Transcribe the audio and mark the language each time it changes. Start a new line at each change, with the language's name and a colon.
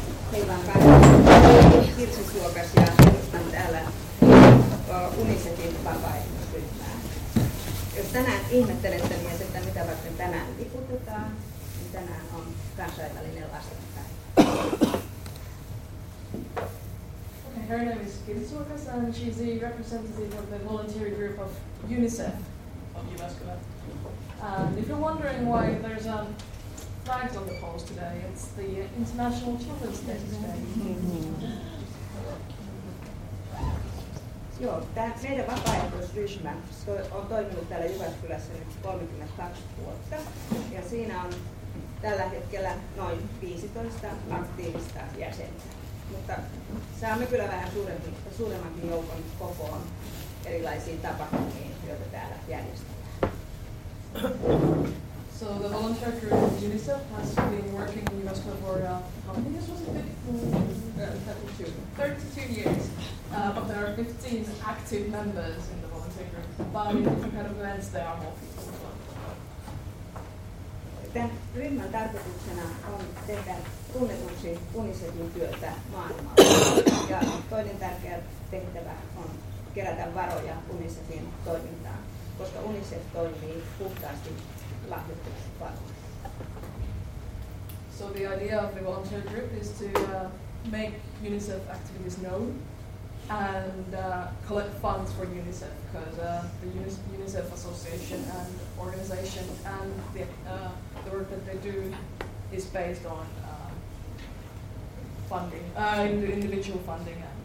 Finnish: Meillä on kaikki kirsisuokas ja edustan täällä Unicefin vapaaehtoisryhmää. Jos tänään ihmettelette mies, että mitä varten tänään liputetaan, niin tänään on kansainvälinen lastenpäivä.
English: Her name is Gilles Workers, and she's a representative of the voluntary group of UNICEF. And if you're wondering why there's a flag on the poles today, it's the International Children's Day today.
Finnish: Joo, tämä meidän vapaaehtoisryhmä on toiminut täällä Jyväskylässä nyt 32 vuotta, ja siinä on tällä hetkellä noin 15 aktiivista jäsentä. Mutta saamme kyllä vähän suuremmankin joukon kokoon erilaisiin tapahtumiin, joita täällä järjestetään.
English: So the volunteer group of UNICEF has been working in Jyväskylä for how many years was it? 32 years. But there are 15 active members in the volunteer group. But in different kind of events, there are more people as well.
Finnish: Tämän ryhmän tarkoituksena on tehdä tunnetuksi UNICEFin työtä maailmalla. Ja toinen tärkeä tehtävä on kerätä varoja UNICEFin toimintaan, koska UNICEF toimii puhtaasti lahjoitusvaroilla.
English: So the idea of the volunteer group is to make UNICEF activities known and collect funds for UNICEF, because the UNICEF association and organization and the work that they do is based on funding, individual funding.